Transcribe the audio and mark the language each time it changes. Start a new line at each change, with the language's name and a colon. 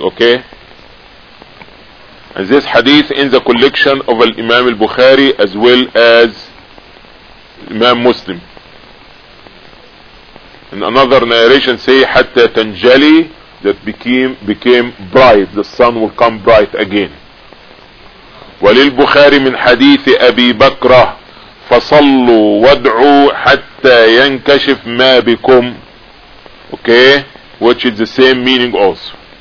English: Okay, and this hadith in the collection of Imam al-Bukhari as well as Imam Muslim. And another narration say hatta tanjali, that became bright, the sun will come bright again.
Arabic: ولل بخاري من حديث أبي بكر فصلوا وادعوا حتى ينكشف ما بكم.
English: Okay, which is the same meaning also.